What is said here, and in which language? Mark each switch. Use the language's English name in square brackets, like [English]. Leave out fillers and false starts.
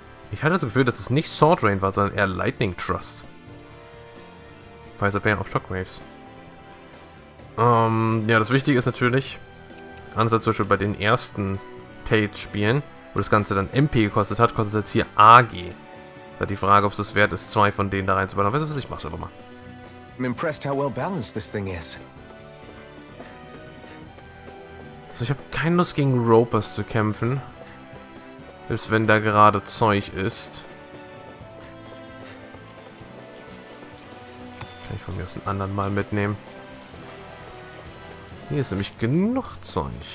[German] Ich hatte das Gefühl, dass es nicht Sword Rain war, sondern eher Lightning Trust. Weiser Bär auf Shockwaves. Ja, das Wichtige ist natürlich, anders als zum Beispiel bei den ersten Tate-Spielen, wo das Ganze dann MP gekostet hat, kostet es jetzt hier AG. Da die Frage, ob es das wert ist, zwei von denen da reinzubauen. Weißt du was, ich mach's aber mal. [English] I'm impressed how well balanced this thing is. [German] So, ich habe keine Lust gegen Ropers zu kämpfen. Selbst wenn da gerade Zeug ist. Kann ich von mir aus einen anderen mal mitnehmen. Hier ist nämlich genug Zeug.